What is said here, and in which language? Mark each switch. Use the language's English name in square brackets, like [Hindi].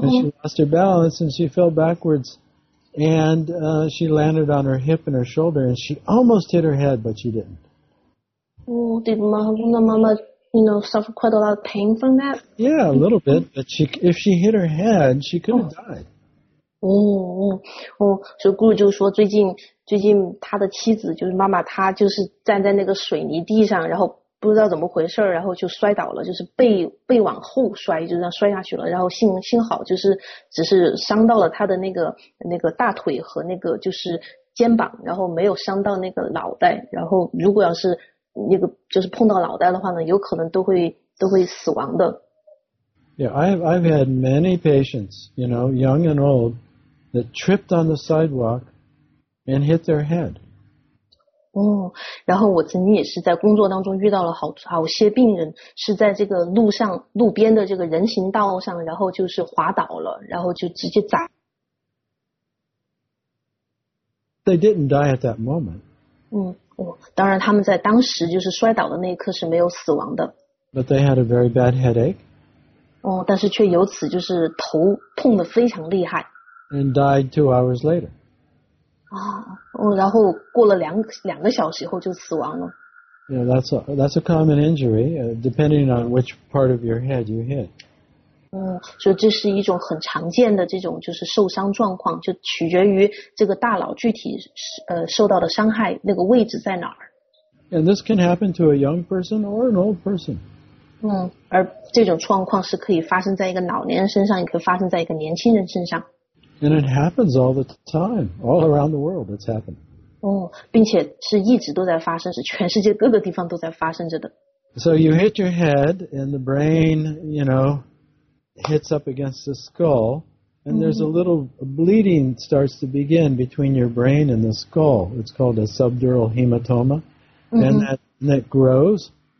[English] and she lost her balance and she fell backwards, and she landed on her hip and her shoulder, and she almost hit her head, but she didn't. Oh, did Mahaguna Mama, suffer quite a lot of pain from that? Yeah, a little bit, but if she hit her head, she could have died. [Chinese] 所以顾就说最近他的妻子就是妈妈，她就是站在那个水泥地上，然后不知道怎么回事，然后就摔倒了，就是背往后摔，就这样摔下去了。然后幸好就是只是伤到了他的那个大腿和那个就是肩膀，然后没有伤到那个脑袋。然后如果要是那个就是碰到脑袋的话呢，有可能都会死亡的。 [English] Yeah, I've had many patients, young and old, that tripped on the sidewalk and hit their head. [Chinese] 哦，然后我曾经也是在工作当中遇到了好些病人是在这个路边的这个人行道上，然后就是滑倒了，然后就直接砸。 [English] They didn't die at that moment. [Chinese] 当然他们在当时就是摔倒的那一刻是没有死亡的。 [English] But they had a very bad headache. [Chinese] 哦，但是却由此就是头痛得非常厉害。 [English] And died 2 hours later. [Chinese] 然后过了两个小时后就死亡了。 [English] Yeah, that's a common injury, depending on which part of your head you hit. [Chinese] 所以这是一种很常见的这种就是受伤状况，就取决于这个大脑具体受到的伤害那个位置在哪儿。 [English] And this can happen to a young person or an old person. [Chinese] 而这种状况是可以发生在一个老年人身上，也可以发生在一个年轻人身上。 [English] And it happens all the time, all around the world, it's happened. [Chinese] 并且是一直都在发生，是全世界各个地方都在发生着的。 [English] So you hit your head, and the brain, hits up against the skull, and there's a little bleeding starts to begin between your brain and the skull. It's called a subdural hematoma, and that grows.